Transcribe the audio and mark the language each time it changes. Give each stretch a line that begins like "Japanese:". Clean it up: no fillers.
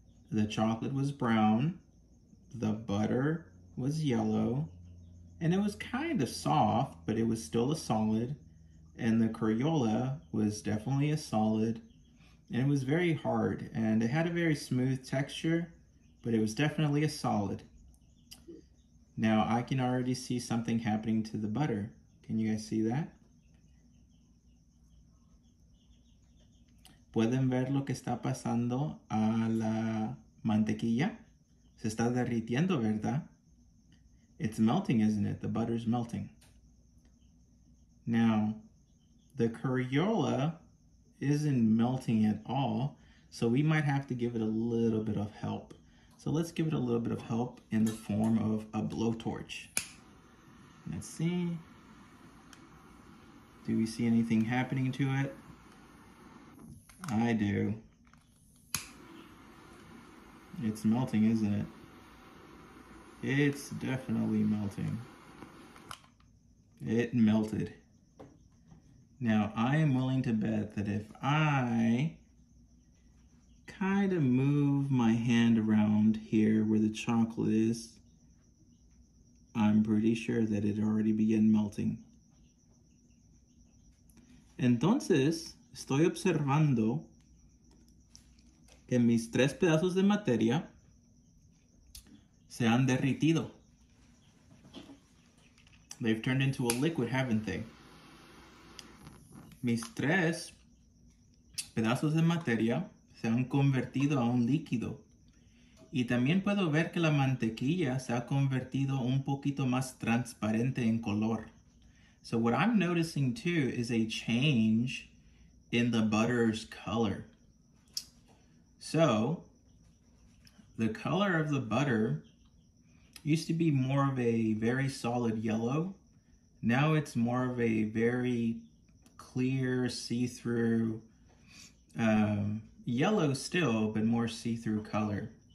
English: The chocolate was brown, the butter was yellow, and it was kind of soft, but it was still a solid, and the Crayola was definitely a solid, and it was very hard, and it had a very smooth texture, but it was definitely a solid. Now, I can already see something happening to the butter. Can you guys see that?
Spanish: ¿Pueden ver lo que está pasando a la Mantequilla? Se está derritiendo, ¿verdad?
English: It's melting, isn't it? The butter's melting. Now, the Crayola isn't melting at all, so we might have to give it a little bit of help. So let's give it a little bit of help in the form of a blowtorch. Let's see. Do we see anything happening to it? I do. It's melting, isn't it? It's definitely melting. It melted. Now, I am willing to bet that if I kind of move my hand around here where the chocolate is, I'm pretty sure that it already began melting.
Spanish: Entonces, estoy observando que mis tres pedazos de materia se han derretido.
English: They've turned into a liquid, haven't they?
Spanish: Mis tres pedazos de materia se han convertido a un líquido. Y también puedo ver que la mantequilla se ha convertido un poquito más transparente en color.
English: So what I'm noticing too is a change in the butter's color. So the color of the butter used to be more of a very solid yellow. Now it's more of a very clear, see-through, yellow still, but more see-through color.